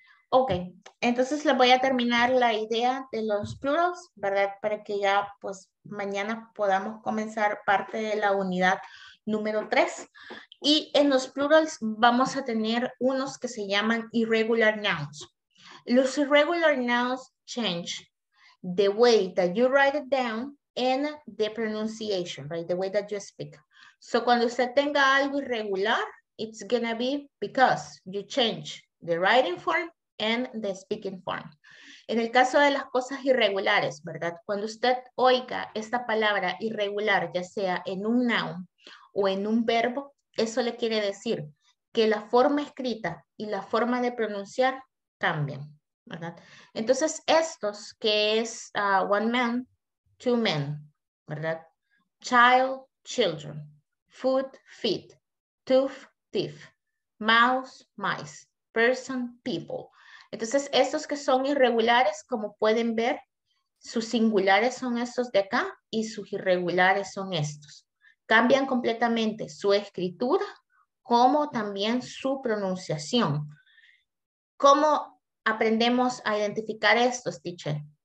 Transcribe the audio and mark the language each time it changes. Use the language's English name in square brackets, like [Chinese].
[Spanish] Ok, entonces les voy a terminar la idea de los plurals, ¿verdad? Para que ya pues mañana podamos comenzar parte de la unidad número 3. Y en los plurals vamos a tener unos que se llaman irregular nouns. [English] Los irregular nouns change the way that you write it down and the pronunciation, right? The way that you speak. So [Spanish] cuando usted tenga algo irregular, [English] it's gonna be because you change the writing form and the speaking form. [Spanish] En el caso de las cosas irregulares, ¿verdad? Cuando usted oiga esta palabra irregular, ya sea en un noun o en un verbo, eso le quiere decir que la forma escrita y la forma de pronunciar cambian, ¿verdad? Entonces, estos que es [English] one man, two men, [Spanish] ¿verdad? [English] Child, children, foot, feet, tooth, teeth, mouse, mice, person, people. [Spanish] Entonces, estos que son irregulares, como pueden ver, sus singulares son estos de acá y sus irregulares son estos. Cambian completamente su escritura como también su pronunciación. ¿Cómo aprendemos a identificar estos, teacher?